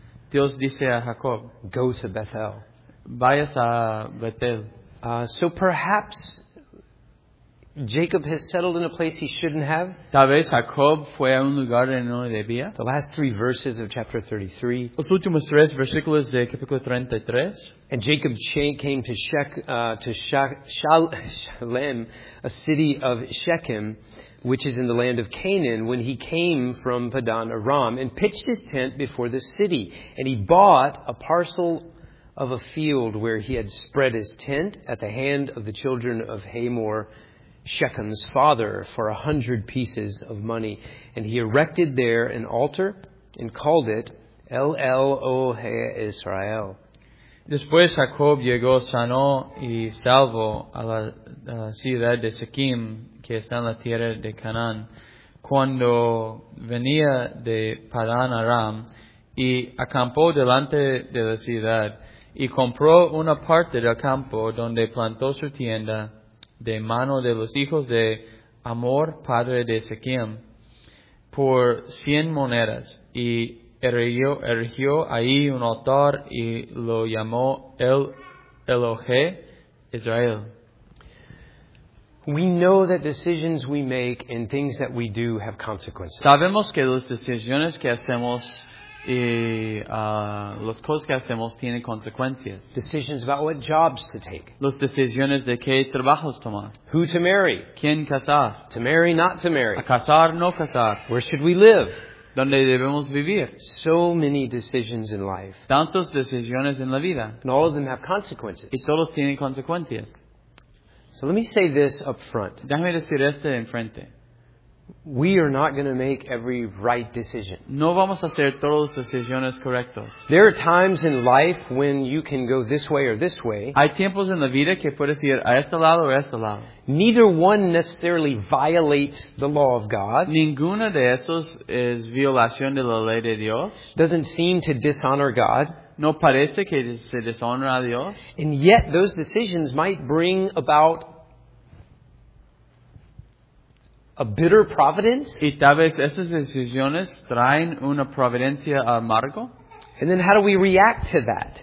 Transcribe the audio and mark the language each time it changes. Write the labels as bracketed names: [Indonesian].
[Spanish] Dios dice a Jacob. [English] Go to Bethel. [Spanish] Vayas a Bethel. [English] So perhaps Jacob has settled in a place he shouldn't have. [Spanish] Tal vez Jacob fue a un lugar en donde no debía. [English] The last three verses of chapter 33. [Spanish] Los últimos tres versículos de capítulo 33. [English] And Jacob came to Shalem, a city of Shechem, which is in the land of Canaan, when he came from Padan Aram, and pitched his tent before the city. And he bought a parcel of a field where he had spread his tent at the hand of the children of Hamor, Shechem's father, for 100 pieces of money. And he erected there an altar and called it El El Ohe Israel. [Spanish] Después Jacob llegó sano y salvo a la ciudad de Shechem, que está en la tierra de Canaán, cuando venía de Padan Aram, y acampó delante de la ciudad, y compró una parte del campo donde plantó su tienda de mano de los hijos de Amor, padre de Shechem, por 100 monedas, y erigió ahí un altar y lo llamó El Elohe Israel. [English] We know that decisions we make and things that we do have consequences. [Spanish] Sabemos que las decisiones que hacemos y las cosas que hacemos tienen consecuencias. [English] Decisions about what jobs to take. [Spanish] Las decisiones de qué trabajos tomar. [English] Who to marry. [Spanish] ¿Quién casar? [English] To marry, not to marry. [Spanish] A casar, no casar. [English] Where should we live? [Spanish] ¿Dónde debemos vivir? [English] So many decisions in life. [Spanish] Tantos decisiones en la vida. [English] And all of them have consequences. [Spanish] Y todos tienen consecuencias. [English] So let me say this up front. [Spanish] Déjame decir esto en frente. [English] We are not going to make every right decision. [Spanish] No vamos a hacer todas las decisiones correctas. [English] There are times in life when you can go this way or this way. [Spanish] Hay tiempos en la vida que puedes ir a este lado o a este lado. [English] Neither one necessarily violates the law of God. [Spanish] Ninguna de esos es violación de la ley de Dios. [English] Doesn't seem to dishonor God. [Spanish] No parece que se deshonra a Dios. [English] And yet those decisions might bring about a bitter providence. [Spanish] Y tal vez esas decisiones traen una providencia amargo. [English] And then how do we react to that?